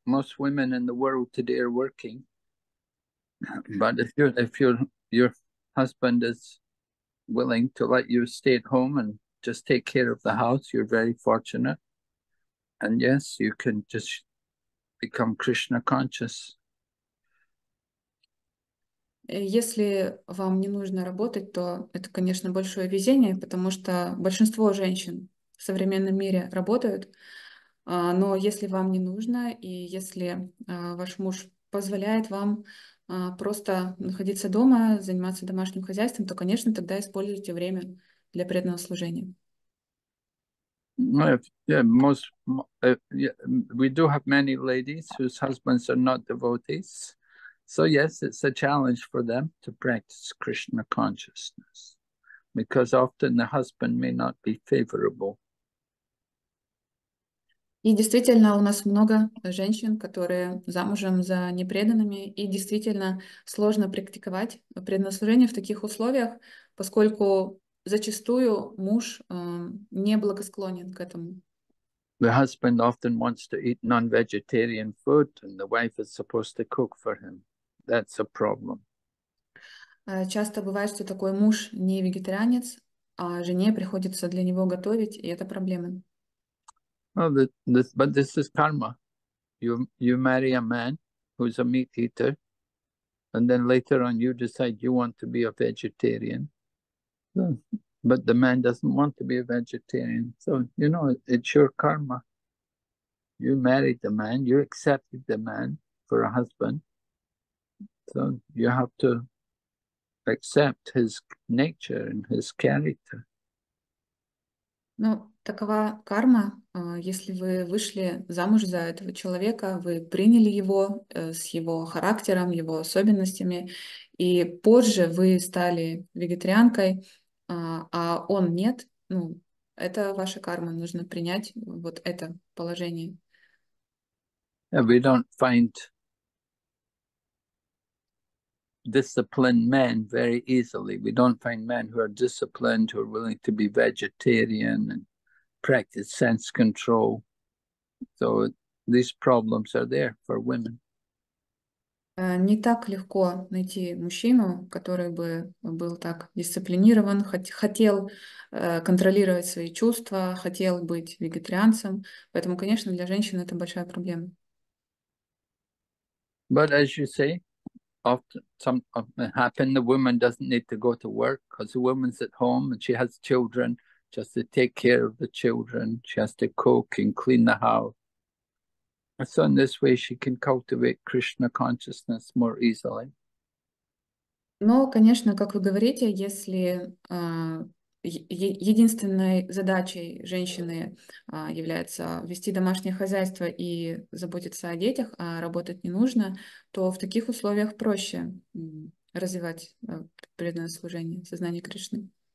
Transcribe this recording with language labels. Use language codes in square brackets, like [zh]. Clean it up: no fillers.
[en] Most women in the world today are working. But if your husband is willing to let you stay at home and just take care of the house, you're very fortunate. And yes, you can just become Krishna conscious. [ru] Если вам не нужно работать, то это, конечно, большое везение, потому что большинство женщин в современном мире работают. Но если вам не нужно, и если ваш муж позволяет вам просто находиться дома, заниматься домашним хозяйством, то, конечно, тогда используйте время для преданного служения. [en] Well, yeah, most yeah, we do have many ladies whose husbands are not devotees, so yes, it's a challenge for them to practice Krishna consciousness because often the husband may not be favorable. [ru] И действительно, у нас много женщин, которые замужем за непреданными, и действительно сложно практиковать преднаслужение в таких условиях, поскольку зачастую муж не благосклонен к этому. [en] The husband often wants to eat non-vegetarian food, and the wife is supposed to cook for him. That's a problem. [ru] Часто бывает, что такой муж не вегетарианец, а жене приходится для него готовить, и это проблема. [en] Well, but this is karma. You marry a man who's a meat eater, and then later on you decide you want to be a vegetarian. But the man doesn't want to be a vegetarian. So, you know, it's your karma. You married the man, you accepted the man for a husband. So you have to accept his nature and his character. [ru] Ну, такова карма. Если вы вышли замуж за этого человека, вы приняли его с его характером, его особенностями, и позже вы стали вегетарианкой, а он нет, ну, это ваша карма, нужно принять вот это положение. [en] We don't find disciplined men very easily. We don't find men who are disciplined, who are willing to be vegetarian and practice sense control. So these problems are there for women. [ru] Не так легко найти мужчину, который бы был так дисциплинирован, хотел контролировать свои чувства, хотел быть вегетарианцем. Поэтому, конечно, для женщин это большая проблема. [en] But as you say, often some happen. The woman doesn't need to go to work because the woman's at home and she has children. She has to take care of the children. She has to cook and clean the house. And so in this way, she can cultivate Krishna consciousness more easily. [ru] Но, конечно, как вы говорите, если единственной задачей женщины является вести домашнее хозяйство и заботиться о детях, а работать не нужно, то в таких условиях проще развивать преданное служение, сознание Кришны.